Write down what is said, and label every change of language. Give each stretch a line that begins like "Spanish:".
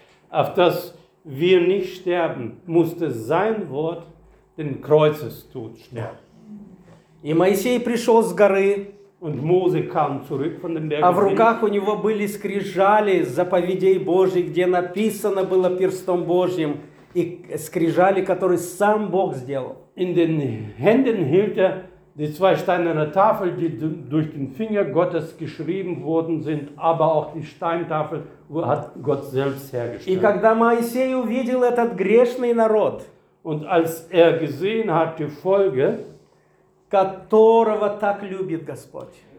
German: Auf dass wir nicht sterben, musste sein Wort den Kreuzestod sterben.
Russian: И Моисей пришел с горы.
German: Und Mose kam zurück von dem Berg.
Russian: А в руках у него были скрижали заповедей Божьих, где написано было перстом Божьим, и скрижали, которые сам Бог сделал.
German: In den Händen hielt er die zwei steinerne Tafel, die durch den Finger Gottes geschrieben worden sind, aber auch die Steintafel hat Gott selbst hergestellt.
Russian: И когда Моисей увидел этот грешный народ,
German: und als er gesehen hat die Folge,
Russian: которого так любит Господь.